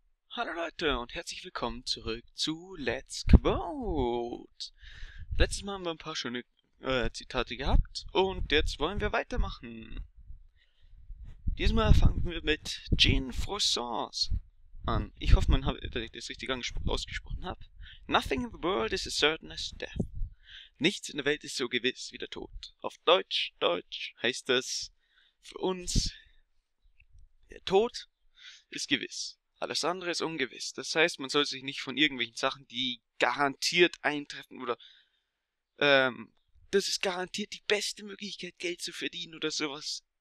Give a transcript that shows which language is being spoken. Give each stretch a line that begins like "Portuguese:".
German: Hallo Leute und herzlich willkommen zurück zu Let's Quote. Letztes Mal haben wir ein paar schöne Zitate gehabt und jetzt wollen wir weitermachen. Diesmal fangen wir mit Jean Froissart an. Ich hoffe, dass ich das richtig ausgesprochen habe.
English: Nothing in the world is as certain as death.
German: Nichts in der Welt ist so gewiss wie der Tod. Auf Deutsch heißt das für uns, der Tod ist gewiss. Alles andere ist ungewiss. Das heißt, man soll sich nicht von irgendwelchen Sachen, die garantiert eintreffen oder das ist garantiert die beste Möglichkeit, Geld zu verdienen oder sowas.